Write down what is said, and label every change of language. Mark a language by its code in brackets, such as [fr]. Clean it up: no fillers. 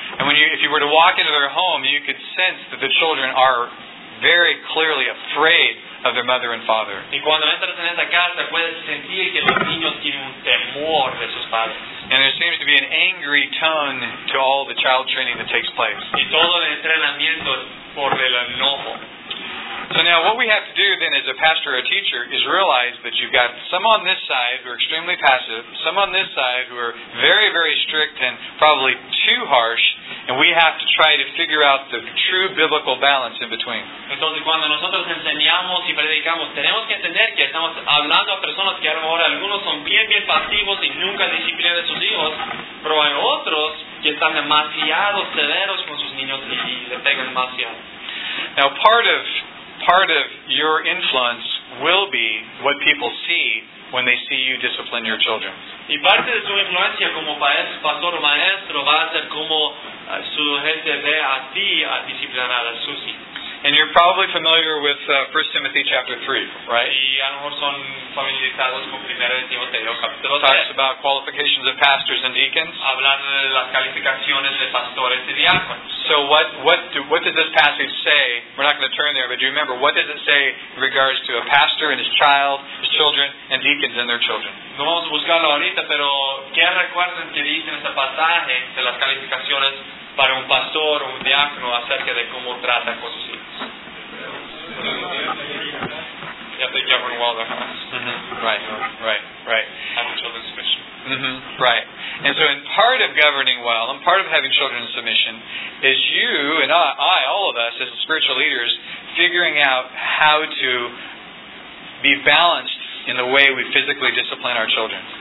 [en] And if you were to walk into their home, you could sense that the children are very clearly afraid of their mother and father. [es] Y cuando entras en esa casa, puedes sentir que los niños tienen un temor de sus padres. [en] And there seems to be an angry tone to all the child training that takes place. [es] Y todo el entrenamiento es por el enojo. [en] So now what we have to do then as a pastor or a teacher is realize that you've got some on this side who are extremely passive, some on this side who are very, very strict and probably too harsh, and we have to try to figure out the true biblical balance in between. [es] Entonces cuando nosotros enseñamos y predicamos, tenemos que entender que estamos hablando a personas que a lo mejor algunos son bien, bien pasivos y nunca disciplinan a sus hijos, pero hay otros que están demasiado severos con sus niños y le pegan demasiado. [en] Now part of your influence will be what people see when they see you discipline your children. [es] Y parte de su influencia como pastor o maestro va a ser como su gente ve a ti a disciplinar a sus hijos. [en] And you're probably familiar with 1 Timothy chapter 3, right? [es] Y a lo mejor son familiarizados con 1 Timoteo capítulo 3. [en] Talks about qualifications of pastors and deacons. [es] Hablando de las calificaciones de pastores y diáconos. [en] So what does this passage say? We're not going to turn there, but do you remember, what does it say in regards to a pastor and his child, his children, and deacons and their children? [es] No vamos a buscarlo ahorita, pero ¿qué recuerdan que dice en este pasaje de las calificaciones para un pastor o un diácono acerca de cómo trata con sus hijos? [en] You have to govern well their house. Right. Have children's submission. Mm-hmm. Right. And so in part of governing well, and part of having children in submission, is you and I, all of us, as spiritual leaders, figuring out how to be balanced in the way we physically discipline our children.